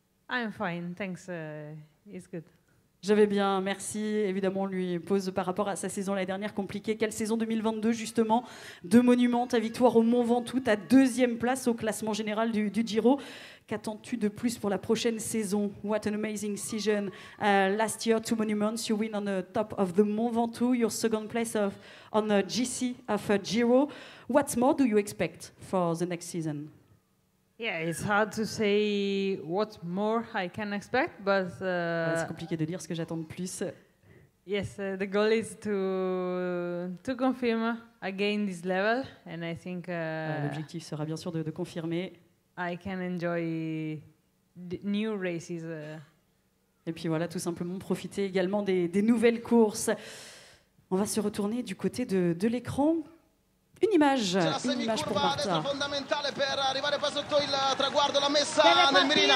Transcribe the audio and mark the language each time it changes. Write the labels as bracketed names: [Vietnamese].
[English] I'm fine, thanks. It's good. [French] Je vais bien, merci. Évidemment, on lui pose par rapport à sa saison l'année dernière compliquée. Quelle saison 2022, justement, de monument, ta victoire au Mont Ventoux, ta deuxième place au classement général du Giro. Qu'attends-tu de plus pour la prochaine saison? [English] What an amazing season. Last year, 2 monuments, you win on the top of the Mont Ventoux, your second place of on the GC of a Giro. What more do you expect for the next season? Yeah, it's hard to say what more I can expect, but... [French] C'est compliqué de dire ce que j'attends de plus. [English] Yes, the goal is to confirm again this level, and I think... [French] L'objectif sera bien sûr de confirmer. [English] I can enjoy the new races. [French] Et puis voilà, tout simplement profiter également des nouvelles courses. On va se retourner du côté de l'écran. Une image pour Marta. [Italian] Fondamentale per arrivare qua sotto il traguardo, l'ha messa nel mirino.